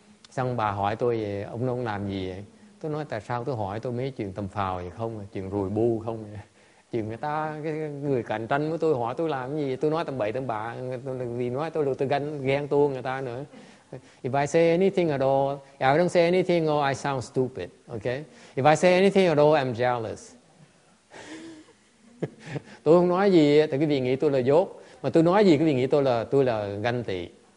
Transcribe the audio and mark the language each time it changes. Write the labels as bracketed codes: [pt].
[vi] Xong bà hỏi tôi về ông làm gì vậy? Tôi nói tại sao tôi hỏi tôi mấy chuyện tầm phào vậy không? Chuyện rùi bu không? Chuyện người ta, cái người cạnh tranh của tôi hỏi tôi làm cái gì? Tôi nói tầm bậy tầm bạ. Vì nói tôi được tôi ghen tuông người ta nữa. [en] If I say anything at all, I don't say anything or I sound stupid. Okay? If I say anything at all, I'm jealous. [vi] Tôi không nói gì thì quý vị nghĩ tôi là dốt. Mà tôi nói gì quý vị nghĩ tôi là ganh tị.